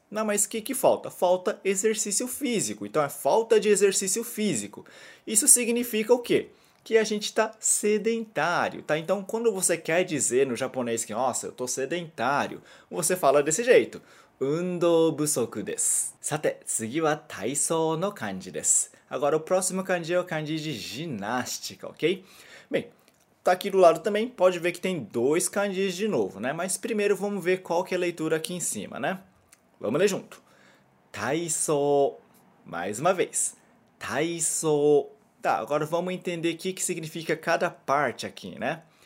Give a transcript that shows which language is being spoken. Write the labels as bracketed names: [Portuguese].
[Portuguese] Não, mas que falta? Falta exercício físico. Então, é falta de exercício físico. Isso significa o quê? Que a gente está sedentário, tá? Então, quando você quer dizer no japonês que, nossa, eu tô sedentário, você fala desse jeito. [Japanese] 運動不足です。さて、次は体操の漢字です。 [Portuguese] Agora o próximo [Japanese] 漢字は漢字で [Portuguese] ginástica, ok? Bem, tá aqui do lado também, pode ver que tem dois 漢字de novo, né? Mas primeiro vamos ver qual que é a leitura aqui em cima, né? Vamos ler junto. 体操。Mais uma vez. 体操。Tá, agora vamos entender o que que significa cada parte aqui, né?